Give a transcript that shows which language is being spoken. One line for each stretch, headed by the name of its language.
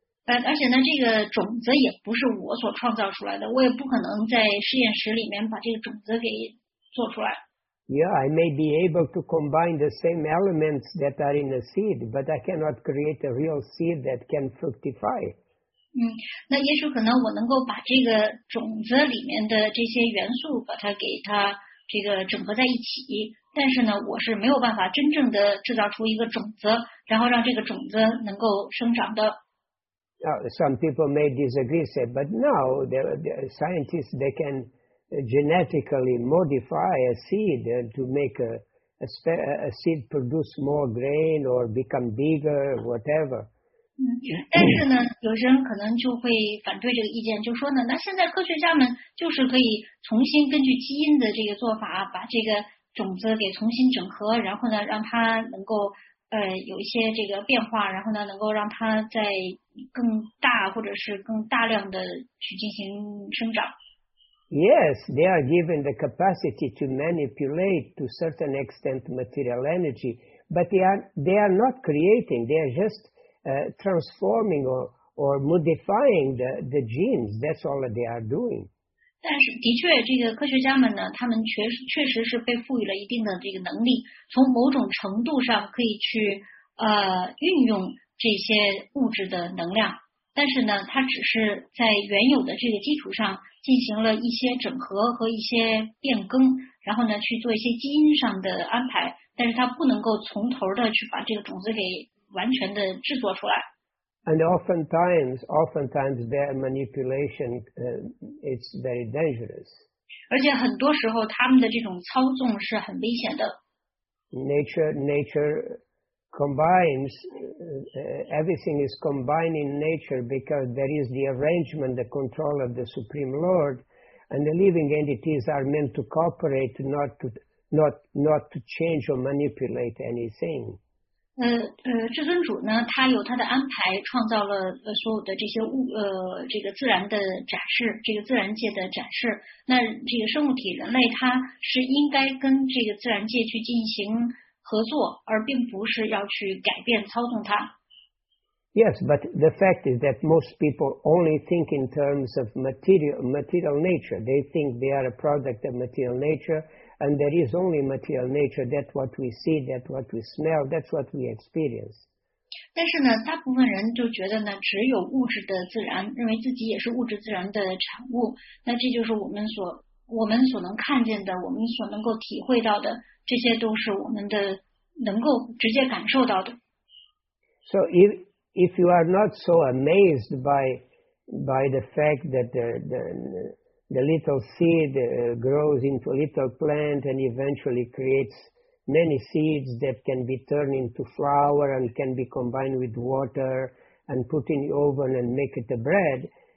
Chinese: 而且呢，这个种子也不是我所创造出来的，我也不可能在实验室里面把这个种子给做出来。
English: Yeah, I may be able to combine the same elements that are in a seed, but I cannot create a real seed that can fructify.
Chinese: 那也许可能我能够把这个种子里面的这些元素把它给它这个整合在一起，但是呢，我是没有办法真正的制造出一个种子，然后让这个种子能够生长的。
English: Some people may disagree, say, but now the scientists they can. Genetically modify a seed to make a seed produce more grain or become bigger, whatever.
Chinese: 但是呢，有些人可能就会反对这个意见，就说呢，那现在科学家们就是可以重新根据基因的这个做法，把这个种子给重新整合，然后呢，让它能够有一些这个变化，然后呢，能够让它在更大或者是更大量的去进行生长。
English: Yes, they are given the capacity to manipulate to certain extent material energy, but they are not creating. They are just transforming or modifying the genes. That's all that they are doing.
Chinese: 但是的确，这个科学家们呢，他们确实是被赋予了一定的这个能力，从某种程度上可以去运用这些物质的能量。但是呢，它只是在原有的这个基础上。进行了一些整合和一些变更，然后呢去做一些基因上的安排，但是它不能够从头的去把这个种子给完全的制作出来。
English: And oftentimes their manipulation is very dangerous.
Chinese: 而且很多时候他们的这种操纵是很危险的。
English: Nature combines, everything is combined in nature because there is the arrangement, the control of the Supreme Lord, and the living entities are meant to cooperate, not to change or manipulate anything.
Chinese: 至尊主呢，他有他的安排，创造了所有的这些物，这个自然的展示，这个自然界的展示。那这个生物体人类，他是应该跟这个自然界去进行合作，而并不是要去改变操纵它。
English: Yes, but the fact is that most people only think in terms of material nature. They think they are a product of material nature. And there is only material nature, that's what we see, that's what we smell, that's what we experience.
Chinese: 但是呢，大部分人就觉得呢，只有物质的自然，认为自己也是物质自然的产物，那这就是我们所能看见的，我们所能够体会到的，这些都是我们的能够直接感受到的。
English: So if you are not so amazed by the fact that the little seed grows into a little plant and eventually creates many seeds that can be turned into flour and can be combined with water and put in the oven and make it a bread.